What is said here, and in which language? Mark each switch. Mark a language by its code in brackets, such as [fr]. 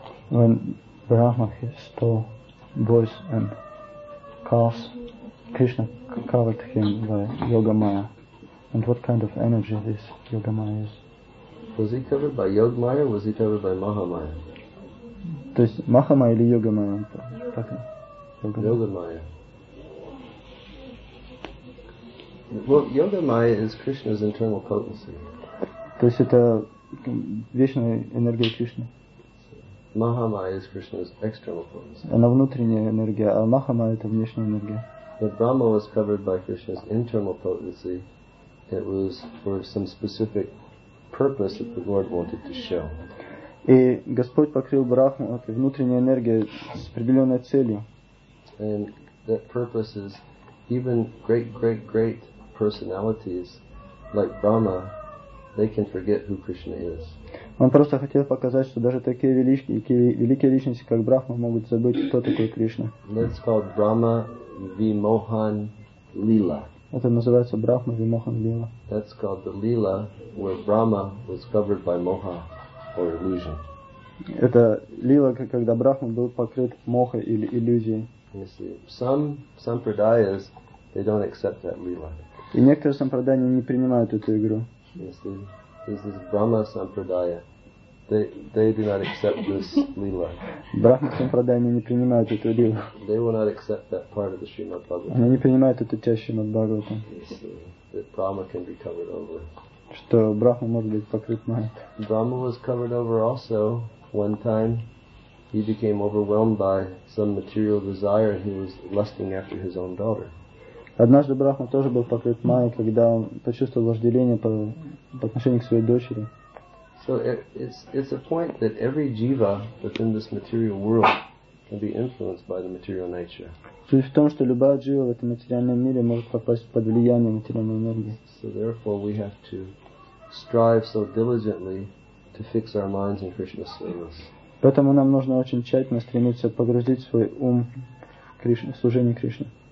[en] When Brahma he stole boys and calves, Krishna covered him by yoga maya. And what kind of energy this yoga maya is? Was he covered by yoga maya or was he covered by maha maya? [ru] То есть маха майя или йога майя? [en] Yoga maya. Well, yoga maya is Krishna's internal potency. [ru] То есть это вечная энергия Кришны. [en] Mahamaya is Krishna's external potency. [ru] Она внутренняя энергия, а Mahamaya — это внешняя энергия. [en] But Brahma was covered by Krishna's internal potency. It was for some specific purpose that the Lord wanted to show. [ru] И Господь покрыл Брахму внутренней энергией с определенной целью. [en] And that purpose is even great, great, great personalities like Brahma, they can forget who Krishna is. [ru] Он просто хотел показать, что даже такие великие личности, как Брахма, могут забыть, кто такой Кришна. [en] That's called Brahma Vimohan Lila. [ru] Это называется Брахма Вимохан Лила. [en] That's called the Lila where Brahma was covered by Moha or illusion. [ru] Это Лила, когда Брахма был покрыт Мохой или иллюзией. [en] You see, some sampradayas, they don't accept that Lila. [ru] И некоторые сампрадаи не принимают эту игру. [en] Yes, this is Brahma Sampradaya. They do not accept this lila. [ru] Brahma Sampradaya не принимают эту лилу. [en] They will not accept that part of the Srimad Bhagavatam. [ru] Они не принимают эту часть Srimad Bhagavatam. [en] Yes, that Brahma can be covered over. [ru] Что Брахма может быть покрыт майей. [en] Brahma was covered over also one time. He became overwhelmed by some material desire and he was lusting after his own daughter. [ru] Однажды Брахма тоже был покрыт майей, когда он почувствовал вожделение по отношению к своей дочери. [en] So it's a point that every jiva within this material world can be influenced by the material nature. [ru] Суть в том, что любая джива в этом материальном мире может попасть под влияние материальной энергии. [en] So therefore we have to strive so diligently to fix our minds in Krishna's service. [ru] Поэтому нам нужно очень тщательно стремиться погрузить свой ум в Кришне, в служение Кришне.